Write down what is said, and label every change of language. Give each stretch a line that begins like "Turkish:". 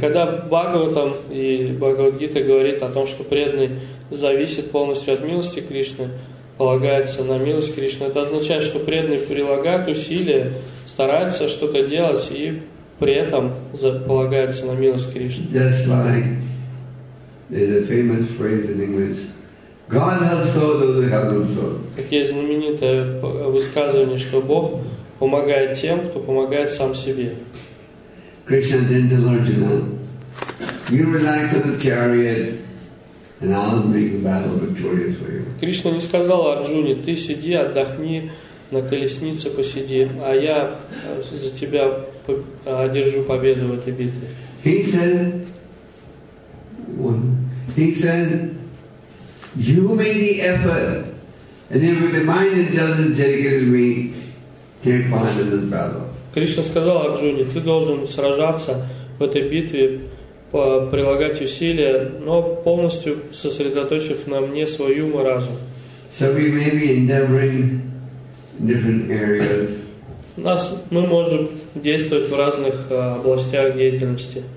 Russian: Когда Бхагаватам и Бхагавадгита говорит о том, что преданный зависит полностью от милости Кришны, полагается на милость Кришны. Это означает, что преданный прилагает усилия, старается что-то делать и при этом полагается на милость Кришны.
English: Just like there's a famous phrase in English, God helps all those who help themselves.
Russian: Как есть знаменитое высказывание, что Бог помогает тем, кто помогает сам себе.
English: Krishna then tells Arjuna, you relax on the chariot, and I'll make the battle victorious for you.
Russian: Кришна не сказал Арджуне, ты сиди, отдохни, на колеснице посиди, а я за тебя одержу победу в этой битве.
English: He said, you made the effort, and then with the mind intelligence dedicated me, take part in this battle.
Russian: Кришна сказал Арджуне, ты должен сражаться в этой битве, прилагать усилия, но полностью сосредоточив на мне свой ум и разум.
English: So we may be endeavoring in different areas.
Russian: Мы можем действовать в разных областях деятельности.